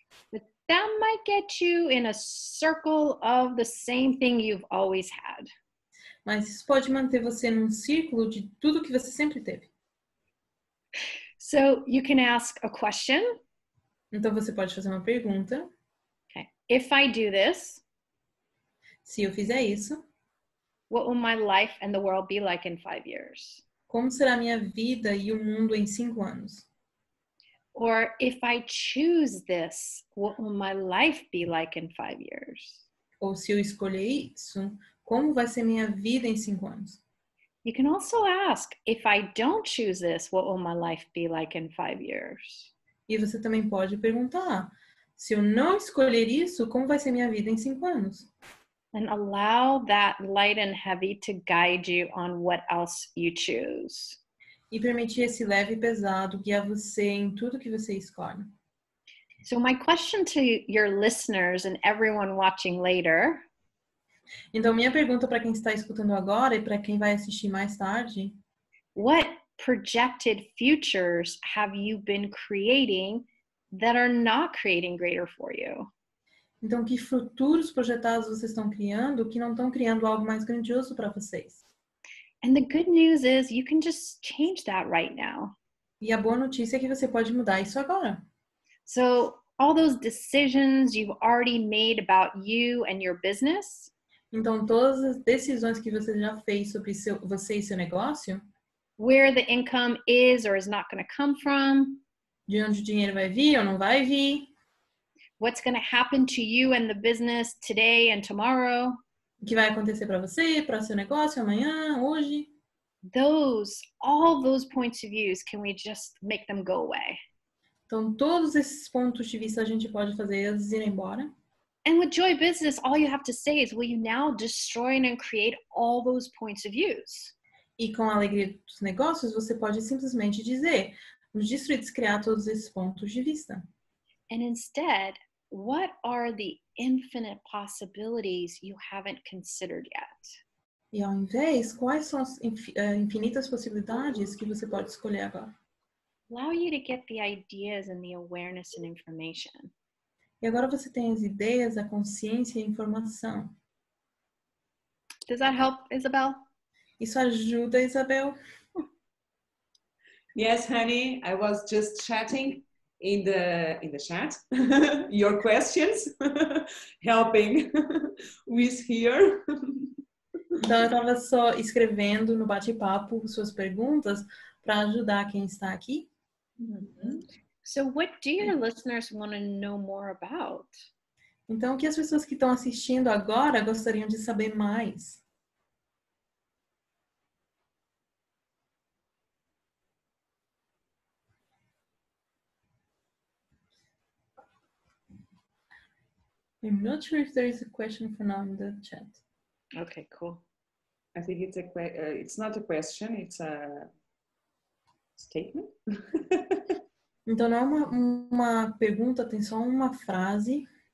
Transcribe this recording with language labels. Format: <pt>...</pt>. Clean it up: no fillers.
<en>But that might get you in a circle of the same thing you've always had.</en> <pt>Mas isso pode manter você num círculo de tudo que você sempre teve.</pt> <en>So you can ask a question.</en> <pt>Então você pode fazer uma pergunta.</pt> <en>Okay. If I do this,</en> <pt>se eu fizer isso,</pt> <en>what will my life and the world be like in 5 years?</en> <pt>Como será minha vida e o mundo em 5 anos?</pt> <en>Or if I choose this, what will my life be like in 5 years?</en> <pt>Ou se eu escolher isso, como vai ser minha vida em 5 anos?</pt> <en>You can also ask, if I don't choose this, what will my life be like in 5 years?</en> <pt>E você também pode perguntar, se eu não escolher isso, como vai ser minha vida em 5 anos?</pt> <en>And allow that light and heavy to guide you on what else you choose.</en> <pt>E permitir esse leve e pesado guiar você em tudo que você escolhe.</pt> <en>So my question to your listeners and everyone watching later.</en> <pt>Então minha pergunta para quem está escutando agora e para quem vai assistir mais tarde.</pt> <en>What projected futures have you been creating that are not creating greater for you?</en> <pt>Então que futuros projetados vocês estão criando que não estão criando algo mais grandioso para vocês?</pt> <en>And the good news is you can just change that right now.</en> <pt>E a boa notícia é que você pode mudar isso agora.</pt> <en>So, all those decisions you've already made about you and your business.</en> <pt>Então, todas as decisões que você já fez sobre você e seu negócio.</pt> <en>Where the income is or is not going to come from.</en> <pt>De onde o dinheiro vai vir ou não vai vir.</pt> <en>What's going to happen to you and the business today and tomorrow.</en> <pt>O que vai acontecer para você, para seu negócio, amanhã, hoje?</pt> <en>All those points of views, can we just make them go away?</en> <pt>Então, todos esses pontos de vista a gente pode fazer eles irem embora.</pt> <en>And with Joy Business, all you have to say is, will you now destroy and create all those points of views?</en> <pt>E com a alegria dos negócios, você pode simplesmente dizer, vamos destruir e descriar todos esses pontos de vista.</pt> <en>And instead, what are the infinite possibilities you haven't considered yet?</en> <pt>E ao invés, quais são as infinitas possibilidades que você pode escolher agora?</pt> <en>Allow you to get the ideas and the awareness and information.</en> <pt>E agora você tem as ideias, a consciência e a informação.</pt> <en>Does that help, Isabel?</en> <pt>Isso ajuda, Isabel.</pt> <en>Yes, honey, I was just chatting in the chat. Your questions helping with here.</en> <pt>Então, eu estava só escrevendo no bate-papo suas perguntas para ajudar quem está aqui.</pt> <en>So, what do your listeners want to know more about?</en> <pt>Então, o que as pessoas que estão assistindo agora gostariam de saber mais?</pt> <en>I'm not sure if there is a question for now in the chat. Okay, cool. I think it's a it's not a question, it's a statement.</en> <pt>Então não é uma pergunta, tem só uma frase.</pt>